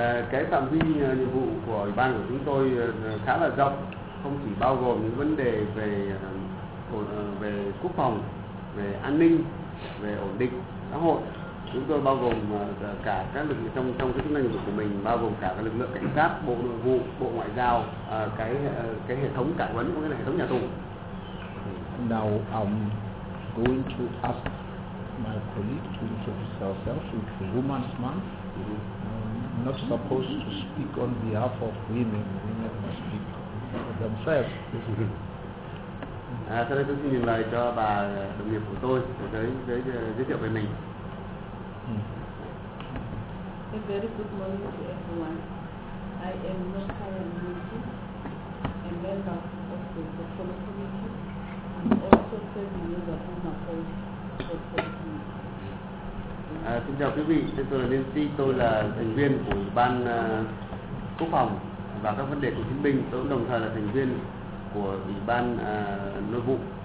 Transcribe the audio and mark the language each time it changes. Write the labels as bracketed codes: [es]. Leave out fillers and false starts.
[vi] Cái phạm vi nhiệm vụ của ủy ban của chúng tôi khá là rộng, không chỉ bao gồm những vấn đề về về quốc phòng, về an ninh, về ổn định xã hội. Chúng tôi bao gồm cả các lực lượng trong cái chức năng của mình, bao gồm cả các lực lượng cảnh sát, bộ nội vụ, bộ ngoại giao, cái hệ thống cải huấn của cái hệ thống nhà tù. [en] Now I'm going to ask my colleague to introduce herself. It's Women's Month. Not supposed to speak on behalf of women. Women must speak for themselves. [vi] Sau đây tôi xin nhường lời cho bà đồng nghiệp của tôi giới giới thiệu về mình. [en] A very good morning to everyone. I am Nokaya Mbuti, a member of the Portfolio Committee. I'm also serving as a former Portfolio Committee. [vi] Xin chào quý vị, tên tôi là Liên Si, tôi là thành viên của Ủy ban Quốc phòng và các vấn đề của chiến binh. Tôi cũng đồng thời là thành viên của Ủy ban Nội vụ.